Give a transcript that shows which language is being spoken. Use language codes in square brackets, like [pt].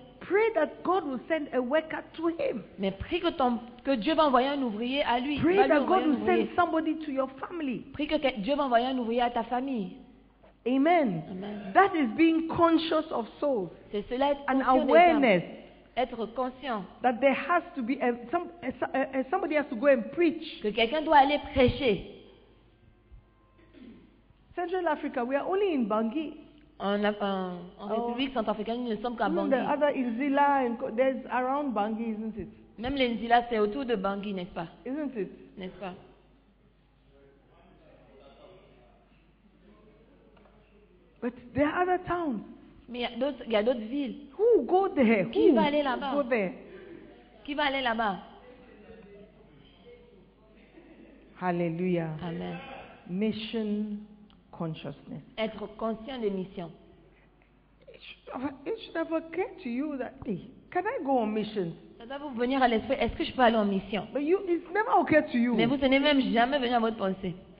[en] Pray that God will send a worker to him. [fr] Mais prie que Dieu va envoyer un ouvrier à lui. [en] Pray that God will send somebody to your family. [fr] Prie que Dieu va envoyer un ouvrier à ta famille. [en] Amen. [fr] Amen. [en] That is being conscious of souls. [fr] C'est cela être [en] an awareness. [fr] Être conscient. [en] That there has to be somebody has to go and preach. [fr] Que quelqu'un doit aller prêcher. [en] Central Africa, we are only in Bangui. [fr] En République centrafricaine, nous ne sommes qu'à Bangui. [en] The other Nzila, there's around Bangui, isn't it? [fr] Même les Nzila, c'est autour de Bangui, n'est-ce pas? [en] Isn't it? [fr] N'est-ce pas? [en] But there are other towns. [fr] Mais il y a d'autres villes. [en] Who go there? [fr] Qui [en] who [fr] va aller là-bas? [en] Go there? [fr] Qui va aller là-bas? [en] Hallelujah. [fr] Amen. [en] Mission. Consciousness. [fr] Être conscient des missions. [en] It should have occurred to you that, hey, can I go on mission? [fr] Ça doit vous venir à l'esprit. Est-ce que je peux aller en mission? [en] But you, it's never occurred to you. [fr] Mais vous n'avez même jamais venu à votre pensée.